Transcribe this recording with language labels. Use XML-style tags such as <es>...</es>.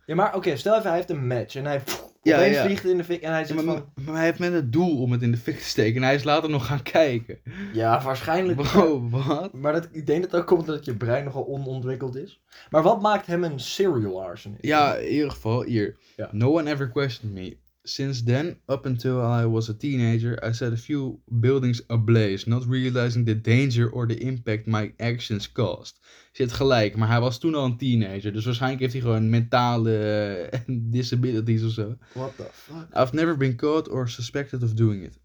<nl>Ja, maar oké, stel even, hij heeft een match en hij vliegt in de fik en hij zegt Maar hij heeft met het doel om het in de fik te steken en hij is later nog gaan kijken. Ja, waarschijnlijk. Bro, wat? Maar ik denk dat het ook komt omdat je brein nogal onontwikkeld is. Maar wat maakt hem een serial arsonist? Ja, in ieder geval, hier. Ja.</nl> <en>No one ever questioned me. Since then, up until I was a teenager, I set a few buildings ablaze, not realizing the danger or the impact my actions caused.</en> <nl>Zit gelijk, maar hij was toen al een teenager, dus waarschijnlijk heeft hij gewoon mentale disabilities of zo.</nl> <en>What the fuck? I've never been caught or suspected of doing it.</en>